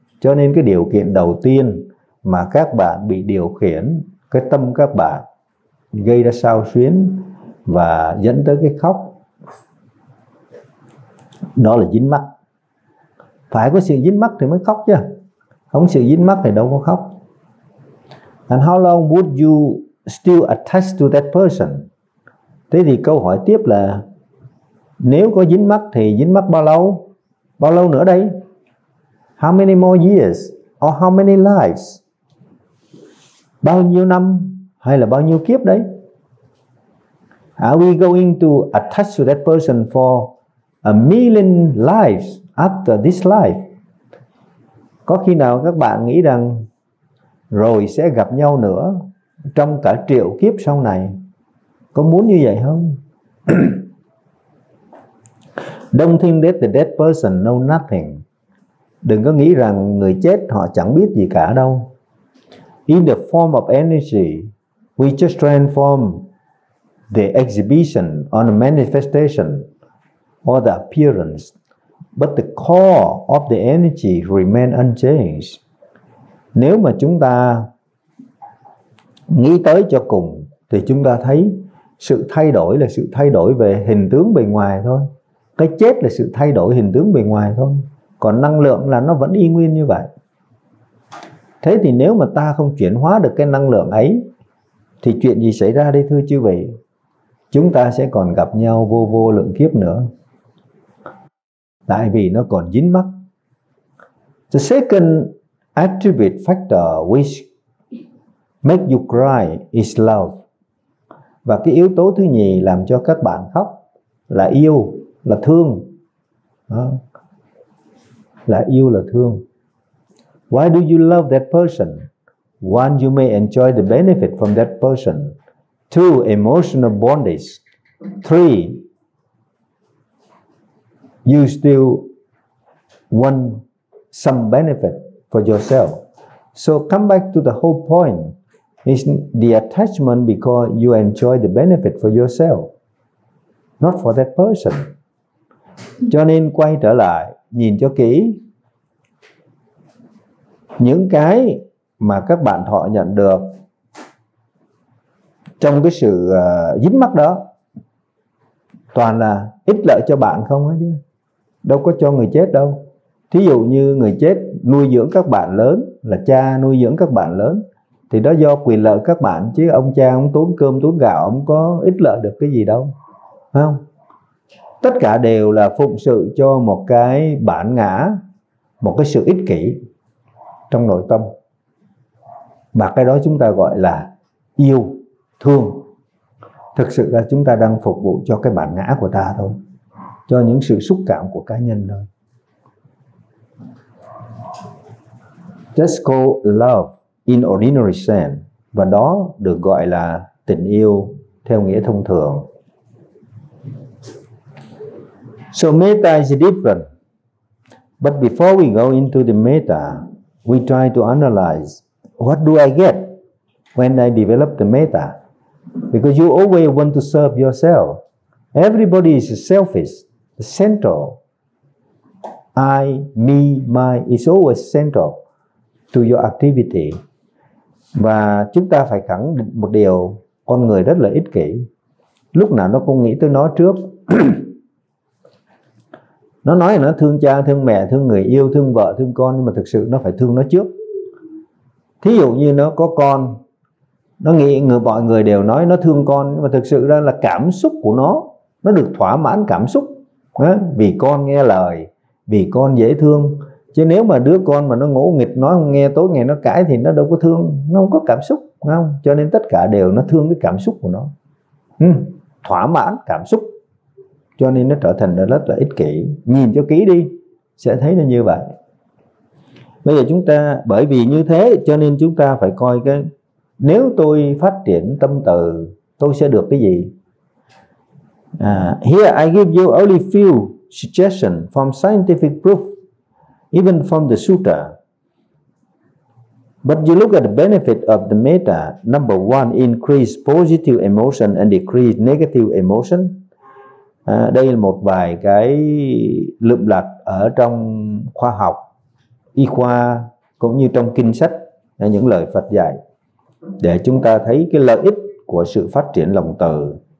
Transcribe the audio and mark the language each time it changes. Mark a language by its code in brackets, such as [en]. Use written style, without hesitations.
[vi] Cho nên cái điều kiện đầu tiên mà các bạn bị điều khiển, cái tâm các bạn gây ra sao xuyến và dẫn tới cái khóc, đó là dính mắc. Phải có sự dính mắc thì mới khóc chứ, không sự dính mắc thì đâu có khóc. [en] And how long would you still attached to that person? [vi] Thế thì câu hỏi tiếp là nếu có dính mắc thì dính mắc bao lâu? Bao lâu nữa đây? [en] How many more years? Or how many lives? [vi] Bao nhiêu năm? Hay là bao nhiêu kiếp đấy? [en] Are we going to attach to that person for a million lives after this life? [vi] Có khi nào các bạn nghĩ rằng rồi sẽ gặp nhau nữa trong cả triệu kiếp sau này, có muốn như vậy không? [en] Don't think that the dead person know nothing. [vi] Đừng có nghĩ rằng người chết họ chẳng biết gì cả đâu. [en] In the form of energy, we just transform the exhibition on a manifestation or the appearance. But the core of the energy remain unchanged. [vi] Nếu mà chúng ta nghĩ tới cho cùng thì chúng ta thấy sự thay đổi là sự thay đổi về hình tướng bề ngoài thôi. Cái chết là sự thay đổi hình tướng bề ngoài thôi. Còn năng lượng là nó vẫn y nguyên như vậy. Thế thì nếu mà ta không chuyển hóa được cái năng lượng ấy thì chuyện gì xảy ra đây thưa chư vị? Chúng ta sẽ còn gặp nhau vô lượng kiếp nữa. Tại vì nó còn dính mắc. [en] The second attribute factor which make you cry is love. [vi] Và cái yếu tố thứ nhì làm cho các bạn khóc là yêu, là thương. Đó. Là yêu, là thương. [en] Why do you love that person? One, you may enjoy the benefit from that person. Two, emotional bondage. Three, you still want some benefit for yourself. So come back to the whole point. It's the attachment because you enjoy the benefit for yourself, not for that person. [vi] Cho nên quay trở lại, nhìn cho kỹ. Những cái mà các bạn thọ nhận được trong cái sự dính mắc đó toàn là ích lợi cho bạn không ấy chứ, đâu có cho người chết đâu. Thí dụ như người chết nuôi dưỡng các bạn lớn, là cha nuôi dưỡng các bạn lớn, thì đó do quyền lợi các bạn, chứ ông cha ông tốn cơm tốn gạo ông có ích lợi được cái gì đâu, phải không? Tất cả đều là phụng sự cho một cái bản ngã, một cái sự ích kỷ trong nội tâm. Và cái đó chúng ta gọi là yêu, thương. Thực sự là chúng ta đang phục vụ cho cái bản ngã của ta thôi, cho những sự xúc cảm của cá nhân thôi. [en] That's called love in ordinary sense. [vi] Và đó được gọi là tình yêu theo nghĩa thông thường. [en] So metta is different. But before we go into the metta, we try to analyze what do I get when I develop the metta. Because you always want to serve yourself. Everybody is selfish, the central. I, me, my is always central to your activity. [vi] Và chúng ta phải khẳng định một điều, con người rất là ích kỷ. Lúc nào nó cũng nghĩ tới nó trước. Nó nói là nó thương cha, thương mẹ, thương người yêu, thương vợ, thương con, nhưng mà thực sự nó phải thương nó trước. Thí dụ như nó có con, nó nghĩ người mọi người đều nói nó thương con, nhưng mà thực sự ra là cảm xúc của nó được thỏa mãn cảm xúc. Đó, vì con nghe lời, vì con dễ thương. Chứ nếu mà đứa con mà nó ngỗ nghịch, nói không nghe, tối ngày nó cãi thì nó đâu có thương, nó không có cảm xúc, đúng không? Cho nên tất cả đều nó thương cái cảm xúc của nó. Thỏa mãn cảm xúc. Cho nên nó trở thành rất là ích kỷ. Nhìn cho kỹ đi, sẽ thấy nó như vậy. Bây giờ chúng ta, bởi vì như thế cho nên chúng ta phải coi cái, nếu tôi phát triển tâm từ, tôi sẽ được cái gì? [en] Here I give you only few suggestions from scientific proof, even from the sutra. But you look at the benefit of the metta. Number one, increase positive emotion and decrease negative emotion. [vi] Đây là một vài cái lượm lặt ở trong khoa học, y khoa, cũng như trong kinh sách, những lời Phật dạy, để chúng ta thấy cái lợi ích của sự phát triển lòng từ.